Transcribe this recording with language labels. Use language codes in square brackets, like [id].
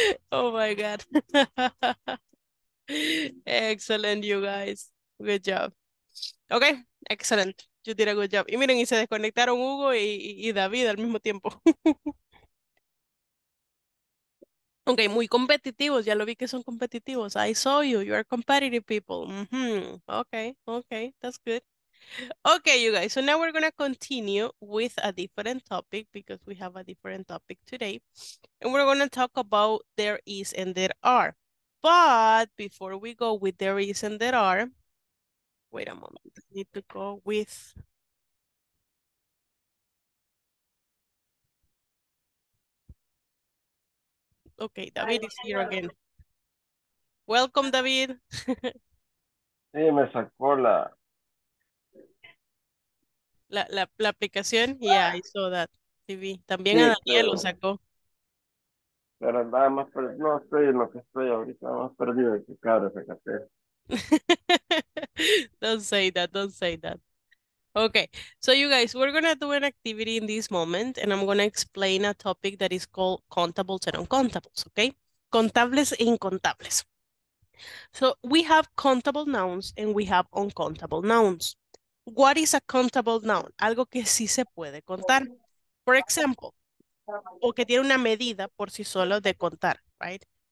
[en] Oh my God. Excellent, you guys. Good job. Okay, excellent. You did a good job. [es] Y miren, y se desconectaron Hugo y David al mismo tiempo. Okay, muy competitivos. Ya lo vi que son competitivos. [en] I saw you. You are competitive people. Mm-hmm. Okay, okay. That's good. Okay, you guys. So now we're going to continue with a different topic because we have a different topic today. And we're going to talk about there is and there are. But before we go with there is and there are, wait a moment. I need to go with... Okay, David is here again. Welcome, David. [es] Hey, me sacó la... La aplicación, [en] yeah, I saw that. [es] TV. También sí, a Daniel lo sacó. Pero nada más perdido, no estoy en lo que estoy ahorita, más perdido de que cabre, fíjate. [en] Don't say that, don't say that. Okay, so you guys, we're going to do an activity in this moment, and I'm going to explain a topic that is called contables and uncontables, okay? [es] Contables e incontables. [en] So we have contable nouns and we have uncontable nouns. What is a countable noun? [es] Algo que sí se puede contar. [en] For example, o que tiene una medida por sí solo de contar, right?